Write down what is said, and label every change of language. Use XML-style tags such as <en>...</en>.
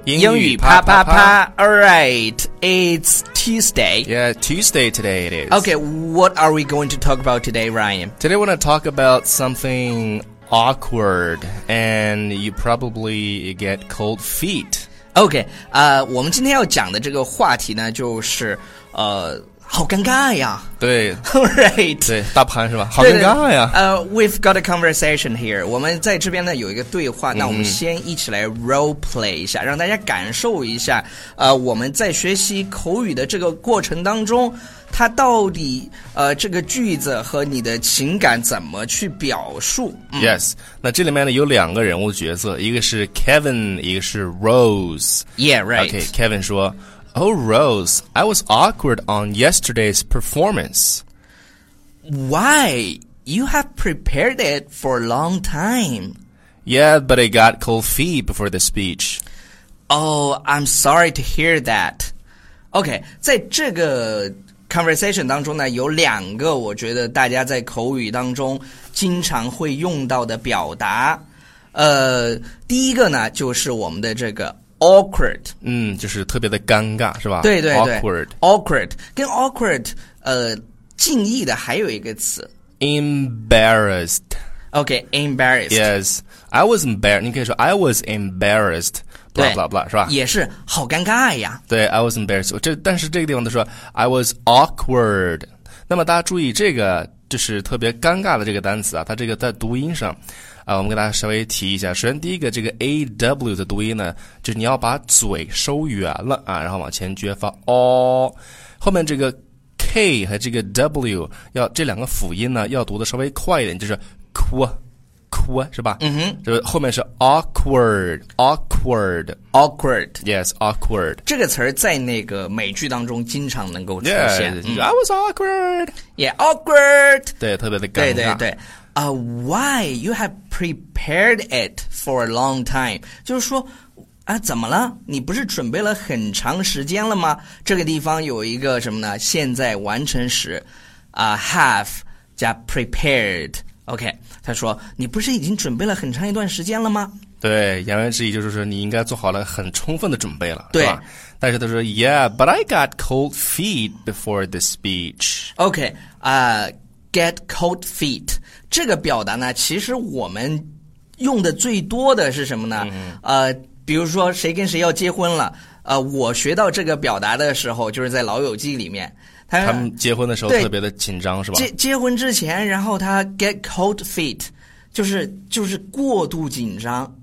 <zh>英语啪啪啪。</zh> <en>Alright, it's Tuesday. Yeah, Tuesday today it is. Okay, what are we going to talk about today, Ryan? Today I want to talk about something awkward, and you probably get cold feet.</en> <zh>Okay, 我们今天要讲的这个话题呢就是好尴尬呀。对。</zh> <en>Right.</en> <zh>对，大盘是吧，好尴尬呀。</zh> <en>We've got a conversation here.</en> <zh>我们在这边呢有一个对话，那我们先一起来 role play 一下，让大家感受一下我们在学习口语的这个过程当中，它到底这个句子和你的情感怎么去表述。</zh> <en>Yes.</en> <zh>那这里面呢有两个人物角色，一个是 Kevin, 一个是 Rose.</zh> <en>Yeah, right. Okay, Kevin 说，Oh, Rose, I was awkward on yesterday's performance. Why? You have prepared it for a long time. Yeah, but I got cold feet before the speech. Oh, I'm sorry to hear that.</en> <zh>Okay, 在这个 conversation 当中呢，有两个我觉得大家在口语当中经常会用到的表达。第一个呢，就是我们的这个awkward, 就是特别的尴尬是吧，对对对，</zh> <en>awkward,</en> <zh>awkward, 跟 awkward, 近义的还有一个词</zh> <en>embarrassed. Okay, embarrassed. Yes, I was embarrassed,</en> <zh>你可以说</zh> <en>I was embarrassed, blah blah blah,</en> <zh>是吧，也是好尴尬呀。对，</zh> <en>I was embarrassed,</en> <zh>但是这个地方都说</zh> <en>I was awkward,</en> <zh>那么大家注意这个就是特别尴尬的这个单词啊，它这个在读音上啊，我们给大家稍微提一下。首先第一个这个 AW 的读音呢，就是你要把嘴收圆了啊，然后往前撅发 O,后面这个 K 和这个 W 要这两个辅音呢要读的稍微快一点，就是 qu, qu 是吧，嗯哼，就是后面是 awkward, awkward,</zh> <en>awkward, yes, awkward,</en> <zh>这个词在那个美剧当中经常能够出现。</zh> <en>yeah,、I was awkward, yeah, awkward,</en> <zh>对，特别的尴尬，对对对。</zh> <en>Why you have prepared it for a long time?</en> <zh>就是说啊，怎么了？你不是准备了很长时间了吗？这个地方有一个什么呢？现在完成时，have 加 prepared. OK, 他说你不是已经准备了很长一段时间了吗？对，言外之意就是说你应该做好了很充分的准备了，对吧？但是他说</zh> <en>，Yeah, but I got cold feet before the speech. OK, get cold feet.</en> <zh>这个表达呢其实我们用的最多的是什么呢，比如说谁跟谁要结婚了，我学到这个表达的时候就是在老友记里面，他们结婚的时候特别的紧张是吧，结婚之前，然后他</zh> <en>get cold feet,</en> <zh>就是过度紧张，</zh>